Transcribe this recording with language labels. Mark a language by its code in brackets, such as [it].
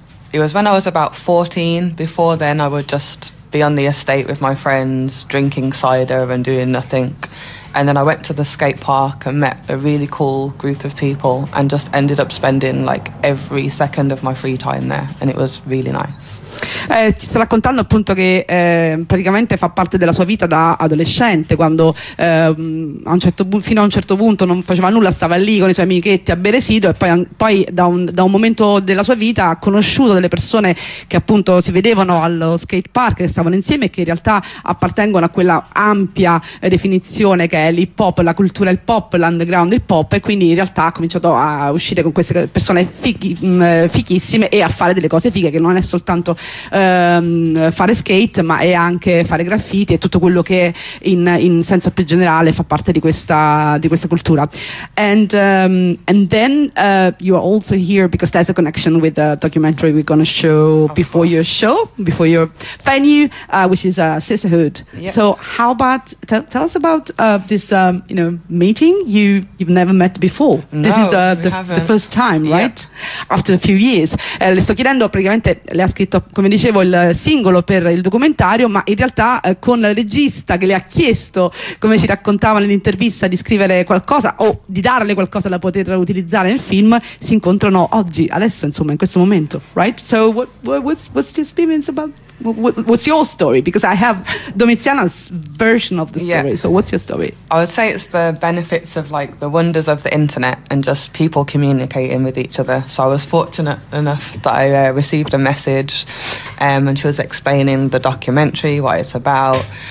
[en] It was when I was about 14. Before then, I would just be on the estate with my friends, drinking cider and doing nothing. And then I went to the skate park and met a really cool group of people and just ended up spending, like, every second of my free time there. And it was really nice. [it] Ci sta raccontando appunto che praticamente fa parte della sua vita da adolescente, quando fino a un certo punto non faceva nulla, stava lì con i suoi amichetti a bere sidro, e poi da un momento della sua vita ha conosciuto delle persone che appunto si vedevano allo skate park, che stavano insieme e che in realtà appartengono a quella ampia definizione che è l'hip hop, la cultura hip hop, l'underground hip hop, e quindi in realtà ha cominciato a uscire con queste persone fichissime e a fare delle cose fighe, che non è soltanto fare skate, ma è anche fare graffiti e tutto quello che in senso più generale fa parte di questa cultura. [en] And and then you are also here because there's a connection with the documentary we're going to show before your venue, which is Sisterhood. Yep. So how about tell us about this you know, meeting you've never met before. No, this is the first time, right? Yep. After a few years. [it] Le sto chiedendo, praticamente le ha scritto, come dicevo, il singolo per il documentario, ma in realtà con la regista che le ha chiesto, come ci raccontava nell'intervista, di scrivere qualcosa o di darle qualcosa da poter utilizzare nel film, si incontrano oggi, adesso, insomma, in questo momento, [en] right? So what's your experience about, what's your story? Because I have Domiziana's version of the story, so what's your story? I would say it's the benefits of, like, the wonders of the internet and just people communicating with each other. So I was fortunate enough that I received a message and she was explaining the documentary, what it's about.